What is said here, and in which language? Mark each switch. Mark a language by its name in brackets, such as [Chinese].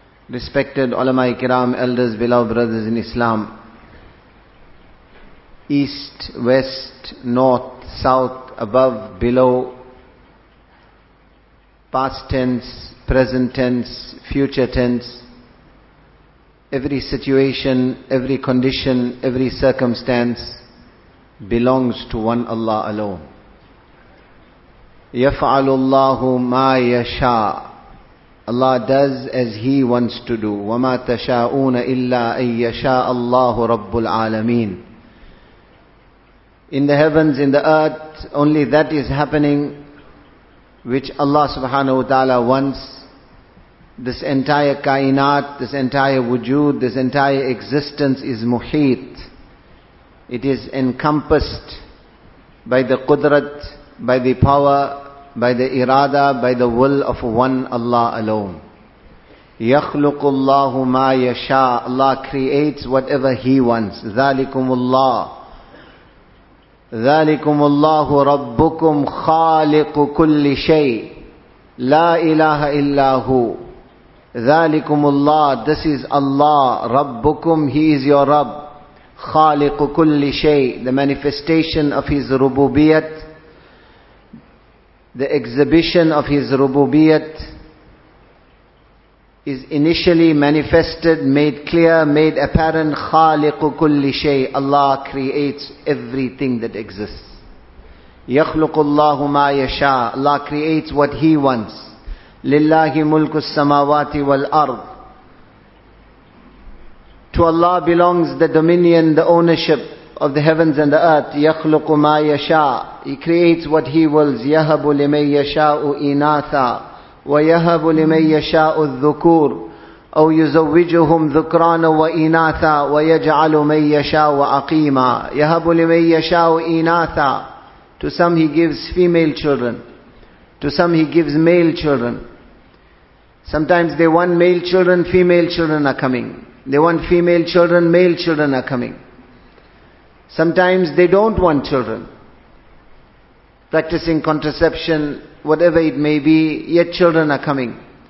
[English] Respected ulama ikram, elders, beloved brothers in Islam, east, west, north, south, above, below, past tense, present tense, future tense, every situation, every condition, every circumstance belongs to one Allah alone. [Arabic] يَفْعَلُ اللَّهُ مَا يَشَاءُ [English] Allah does as He wants to do. [Arabic] وَمَا تَشَاءُونَ إِلَّا أَن يَشَاءَ اللَّهُ رَبُّ الْعَالَمِينَ [English] In the heavens, in the earth, only that is happening which Allah subhanahu wa ta'ala wants. This entire kainat, this entire wujud, this entire existence is muhit. It is encompassed by the qudrat, by the power, by the irada, by the will of one Allah alone. [Arabic] يَخْلُقُ اللَّهُ مَا يَشَاءُ [English] Allah creates whatever He wants. [Arabic] ذَلِكُمُ اللَّهُ ذَلِكُمُ اللَّهُ رَبُّكُمْ خَالِقُ كُلِّ شَيْءٍ لَا إِلَهَ إِلَّا هُوَ ذَلِكُمُ اللَّهُ [English] This is Allah, [Arabic] رَبُّكُمْ [English] He is your Rabb. [Arabic] خَالِقُ كُلِّ شَيْءٍ [English] The manifestation of His rububiyat. The exhibition of His rububiyat is initially manifested, made clear, made apparent. [Arabic] خَالِقُ كُلِّ شَيْءٍ [English] Allah creates everything that exists. [Arabic] يَخْلُقُ اللَّهُ مَا يَشَاءُ [English] Allah creates what He wants. [Arabic] لِلَّهِ مُلْكُ السَّمَاوَاتِ وَالْأَرْضِ [English] To Allah belongs the dominion, the ownership of the heavens and the earth. [Arabic] يَخْلُقُ مَا يَشَاءُ [English] He creates what He wills. [Arabic] يَهَبُ لِمَنْ يَشَاءُ إِنَاثًا وَيَهَبُ لِمَنْ يَشَاءُ الذُّكُورُ أَوْ يُزَوِّجُهُمْ ذُكْرَانًا وَإِنَاثًا وَيَجْعَلُ مَنْ يَشَاءُ عَقِيمًا يَهَبُ لِمَنْ يَشَاءُ إِنَاثًا [English] To some He gives female children. To some He gives male children. Sometimes they want male children, female children are coming. They want female children, male children are coming. Sometimes they don't want children. practicing contraception, whatever it may be, yet children are coming.